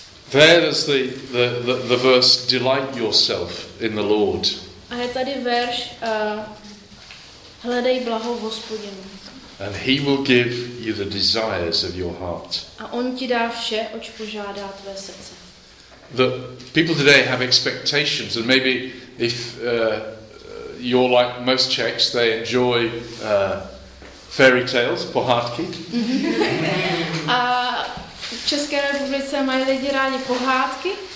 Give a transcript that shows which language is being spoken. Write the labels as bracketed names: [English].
[English] There is the verse, delight yourself in the Lord. [Czech] A je tady verš, hledej blaho v Hospodinu. [English] And he will give you the desires of your heart. [Czech] A on ti dá vše, oč požádá tvé srdce. [English] The people today have expectations, and maybe if you're like most Czechs, they enjoy fairy tales, pohádky. [Czech] A v České republice mají lidi rádi pohádky.